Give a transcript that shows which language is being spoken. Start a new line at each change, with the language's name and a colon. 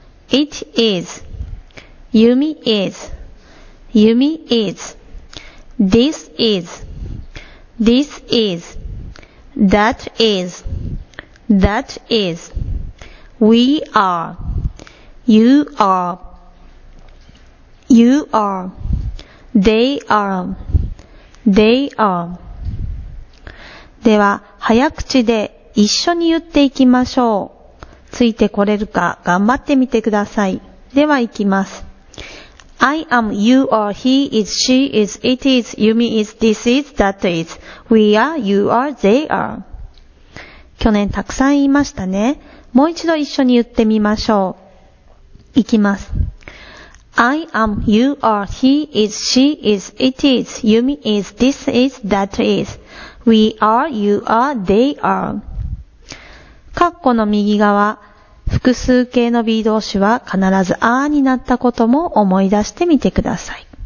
English: It is、 Yumi is、 Yumi is、 This is、This is、 That is、 That is、 We are、 You are、 You are、 They are、 They are。
Japanese: では早口で一緒に言っていきましょう。ついてこれるか頑張ってみてください。ではいきます。
English: I am, you are, he is, she is, it is, Yumi is, this is, that is, we are, you are, they are。
Japanese: 去年たくさん言いましたね。もう一度一緒に言ってみましょう。いきます。
English: I am, you are, he is, she is, it is, Yumi is, this is, that is, we are, you are, they are。
Japanese: 括弧の右側、複数形の B 動詞は必ずあーになったことも思い出してみてください。